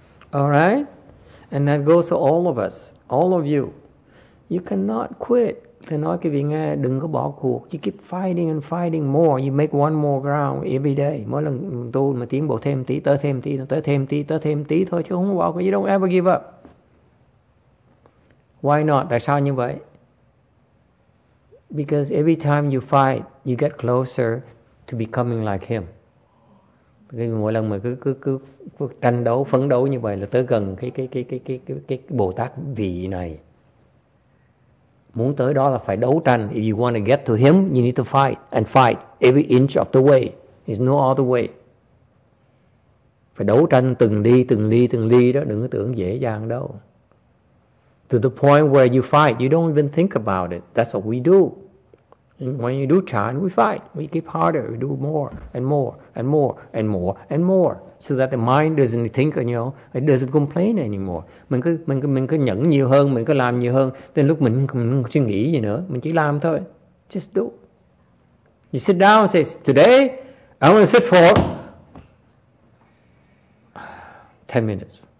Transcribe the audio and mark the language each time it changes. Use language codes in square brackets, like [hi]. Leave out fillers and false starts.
[en] Alright? And that goes to all of us. All of you. You cannot quit. [vi] Thầy nói quý vị nghe, đừng có bỏ cuộc. [en] You keep fighting and fighting more. You make one more ground every day. [vi] Mỗi lần tu mà tiến bộ thêm tí, tới thêm tí, tới thêm tí, tới thêm tí thôi. Chứ không bỏ cuộc. [en] You don't ever give up. Why not? [vi] Tại sao như vậy? [en] Because every time you fight, you get closer to becoming like him. [vi] Mỗi lần mà cứ tranh đấu, phấn đấu như vậy là tới gần cái Bồ Tát vị này. Muốn tới đó là phải đấu tranh. [en] If you want to get to him, you need to fight and fight every inch of the way. There's no other way. [vi] Phải đấu tranh từng ly đó, đừng có tưởng dễ dàng đâu. [en] To the point where you fight, you don't even think about it. That's what we do. And when you do chan, we fight. We keep harder. We do more and more and more and more and more, so that the mind doesn't think, you know, it doesn't complain anymore. [vi] Mình cứ nhẫn nhiều hơn, mình cứ làm nhiều hơn. Đến lúc mình không suy nghĩ gì nữa, mình chỉ làm thôi. [en] Just do. You sit down and say, today I'm going to sit for 10 minutes.